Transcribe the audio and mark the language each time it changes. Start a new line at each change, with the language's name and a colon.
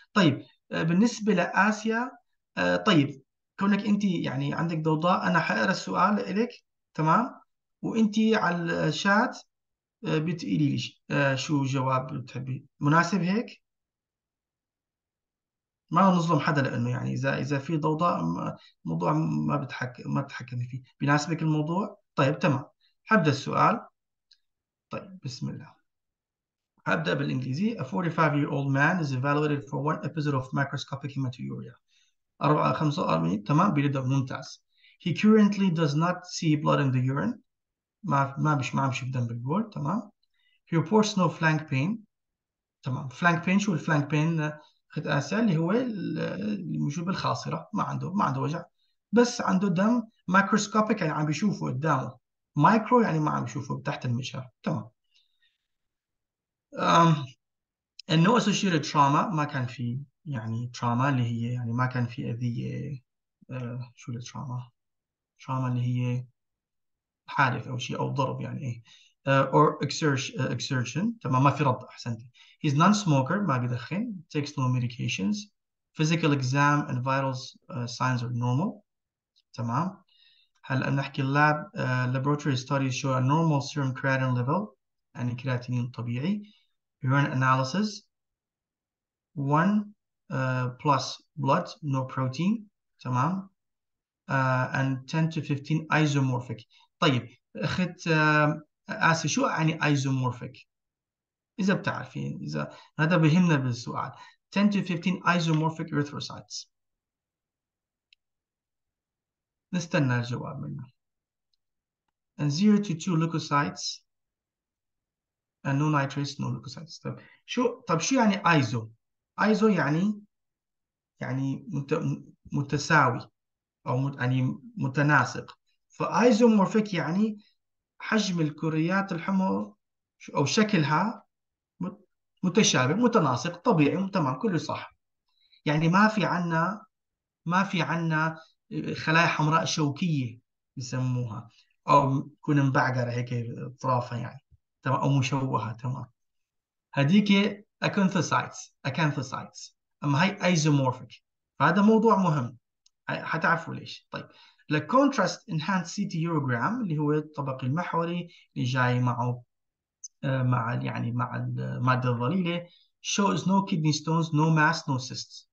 Arabic: طيب بالنسبه لاسيا، طيب كونك انت يعني عندك ضوضاء انا حقرا السؤال لك تمام، وانت على الشات بتقولي لي شو جواب بتحبي، مناسب هيك؟ ما نظلم حدا لانه يعني اذا في ضوضاء موضوع ما بتحكمي فيه، بناسبك الموضوع؟ طيب تمام هبدا السؤال. طيب بسم الله هبدا بالانجليزي.
English: A 45 year old man is evaluated for one episode of macroscopic hematuria.
Arabic: 45 تمام بيرد ممتاز.
English: He currently does not see blood in the urine.
Arabic: ما بشوف دم بالبول تمام.
English: He reports no flank pain.
Arabic: تمام flank pain شو الفلانك بين؟ خد اسال اللي هو اللي مش بالخاصره، ما عنده وجع بس عنده دم مايكروسكوبيك يعني عم بيشوفه قدامه، مايكرو يعني ما عم بيشوفه تحت المجهر تمام. النو اسوشيتد تراما، ما كان في يعني تراما اللي هي يعني ما كان في اذيه. شو التراما؟ تراما اللي هي حادث او شيء او ضرب يعني ايه.
English: Or exertion
Arabic: تمام ما في رد احسنت.
English: He's non-smoker
Arabic: ما بيدخن.
English: Takes no medications. Physical exam and vitals signs are normal تمام.
Arabic: هلا نحكي اللاب
English: laboratory studies show a normal serum creatinine level
Arabic: يعني كرياتينين طبيعي.
English: Urine analysis 1 plus blood no protein تمام. And 10 to 15 isomorphic.
Arabic: طيب اخذت آسف شو يعني isomorphic؟ إذا بتعرفين إذا هذا بهمنا بالسؤال.
English: 10 to 15 isomorphic erythrocytes.
Arabic: نستنى الجواب منه.
English: And 0 to 2 leukocytes. And no nitrates, no leukocytes.
Arabic: طب شو يعني iso؟ iso يعني متساوي أو يعني متناسق. فايزومورفيك يعني حجم الكريات الحمر او شكلها متشابه متناسق طبيعي تمام كله صح. يعني ما في عنا خلايا حمراء شوكية يسموها او تكون مبعقرة هيك اطرافها يعني تمام او مشوهة تمام. هذيك اكانثوسايتس، اما هاي ايزومورفيك فهذا موضوع مهم حتعرفوا ليش.
English: طيب The contrast enhanced CT urogram
Arabic: اللي هو الطبق المحوري اللي جاي معه مع المادة الضليلة
English: shows no kidney stones no mass no cysts.